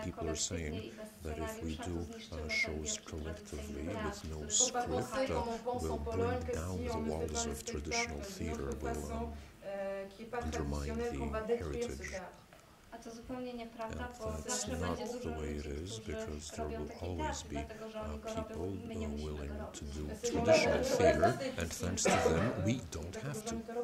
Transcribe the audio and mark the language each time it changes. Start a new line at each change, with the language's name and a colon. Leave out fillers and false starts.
English: people are saying that if we do shows collectively with no script, we'll bring down the walls of traditional theater, we'll undermine the heritage.
Polish: To zupełnie nieprawda, bo zawsze będzie dużo ludzi, którzy robią taki teatr, dlatego że oni go robią, my nie musimy go robić.
English: Traditional theater, and thanks to them, we don't have to.